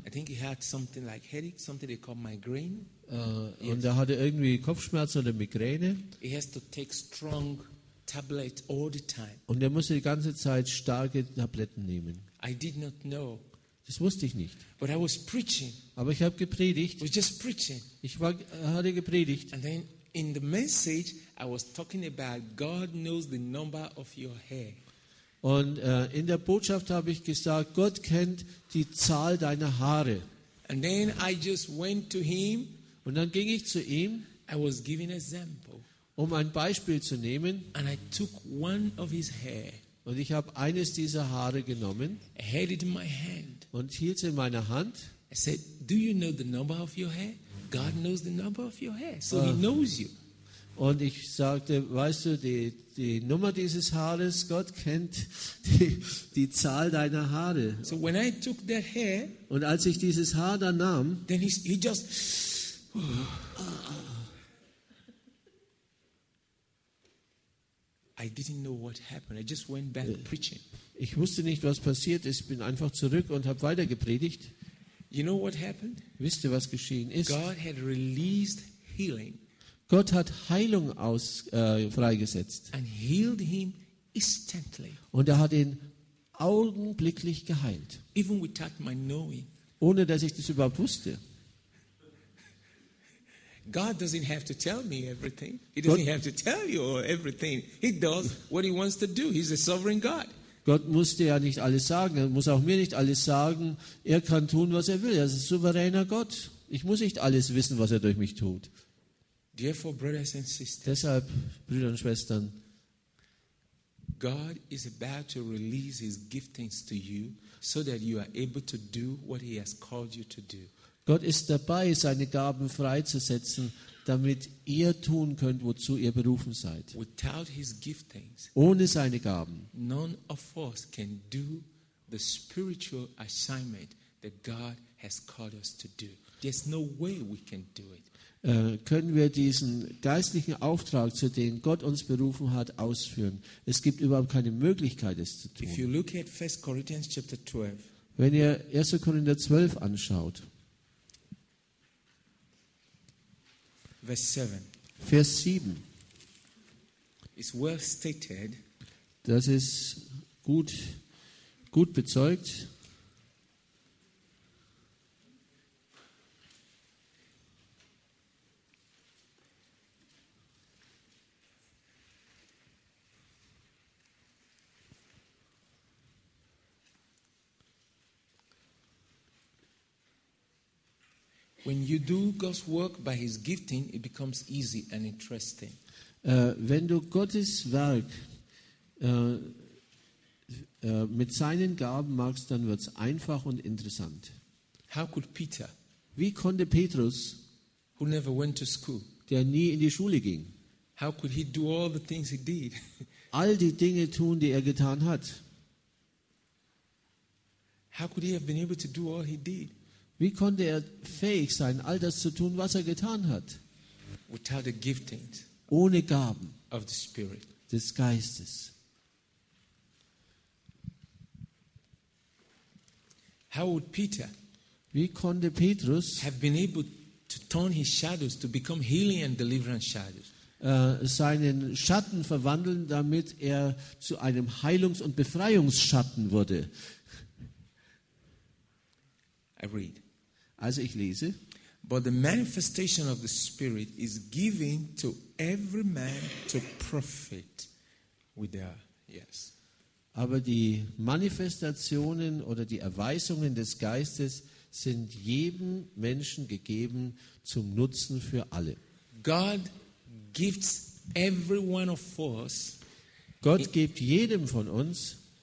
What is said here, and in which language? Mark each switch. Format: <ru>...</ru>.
<en>I think he had something like headache, something they call migraine.</en> <de>Und er hatte irgendwie Kopfschmerzen oder Migräne.</de> <en>He has to take strong tablet all the time.</en> <de>Und er musste die ganze Zeit starke Tabletten nehmen.</de> <en>I did not know.</en> <de>Das wusste ich nicht.</de> <en>But I was preaching.</en> <de>Aber ich habe gepredigt.</de> <en>I was just preaching.</en> <de>Ich war, hatte gepredigt.</de> <en>And then in the message I was talking about God knows the number of your hair.</en> <de>Und in der Botschaft habe ich gesagt, Gott kennt die Zahl deiner Haare.</de> <en>And then I just went to him.</en> <de>Und dann ging ich zu ihm.</de> <en>I was giving example.</en> <de>Um ein Beispiel zu nehmen.</de> <en>And I took one of his hair.</en> <de>Und ich habe eines dieser Haare genommen.</de> <en>I held it in my hand.</en> <de>Und hielt es in meiner Hand.</de> <en>I said, "Do you know the number of your hair? God knows the number of your hair, so He knows you."</en> <de>Und ich sagte, weißt du, die Nummer dieses Haares, Gott kennt die Zahl deiner Haare.</de> <en>So when I took that hair,</en> <de>und als ich dieses Haar dann nahm,</de> <en>then he just I didn't know what happened. I just went back preaching.</en> <de>Ich wusste nicht, was passiert ist. Ich bin einfach zurück und habe weiter gepredigt.</de> <en>You know what happened?</en> <de>Wisst ihr, was geschehen ist?</de> <en>God had released healing.</en> <de>Gott hat Heilung freigesetzt.</de> <en>And healed him instantly.</en> <de>Und er hat ihn augenblicklich geheilt.</de> <en>Even without my knowing.</en> <de>Ohne dass ich das überhaupt wusste.</de> <en>God doesn't have to tell me everything. He doesn't have to tell you everything. He does what he wants to do. He's a sovereign God.</en> <de>Gott musste ja nicht alles sagen. Er muss auch mir nicht alles sagen. Er kann tun, was er will. Er ist ein souveräner Gott. Ich muss nicht alles wissen, was er durch mich tut.</de> <en>Therefore, brothers and sisters,</en> <de>deshalb, Brüder und Schwestern,</de> <en>God is about to release his giftings to you, so that you are able to do what he has called you to do.</en> <de>Gott ist dabei, seine Gaben freizusetzen, damit ihr tun könnt, wozu ihr berufen seid.</de> <en>Without his giftings,</en> <de>ohne seine Gaben,</de> <en>none of us can do the spiritual assignment that God has called us to do. There's no way we can do it.</en> <de>Können wir diesen geistlichen Auftrag, zu dem Gott uns berufen hat, ausführen? Es gibt überhaupt keine Möglichkeit, es zu tun.</de> <en>If you look at 1 Corinthians chapter 12,</en> <de>wenn ihr 1. Korinther 12 anschaut, Vers 7.</de> <en>It's well stated.</en> <de>Das ist gut bezeugt.</de> <en>When you do God's work by His gifting, it becomes easy and interesting.</en> <de>Wenn du Gottes Werk mit seinen Gaben machst, dann wird's einfach und interessant.</de> <en>How could Peter?</en> <de>Wie konnte Petrus,</de> <en>who never went to school,</en> <de>der nie in die Schule ging,</de> <en>how could he do all the things he did?</en> <de>All die Dinge tun, die er getan hat?</de> <en>How could he have been able to do all he did?</en> <de>Wie konnte er fähig sein, all das zu tun, was er getan hat?</de> <en>Without the giftings,</en> <de>ohne Gaben</de> <en>of the Spirit,</en> <de>des Geistes.</de> <en>How would Peter,</en> <de>wie konnte Petrus,</de> <en>have been able to turn his shadows to become healing and deliverance shadows?</en> <de>Seinen Schatten verwandeln, damit er zu einem Heilungs- und Befreiungsschatten wurde.</de> <en>I read.</en> <de>Also ich lese.</de> <en>But the manifestation of the Spirit is given to every man to profit with their yes.</en> <de>Aber die Manifestationen oder die Erweisungen des Geistes sind jedem Menschen gegeben zum Nutzen für alle.</de> <en>God gives every one of us.</en> <de>Gott gibt jedem von uns.</de>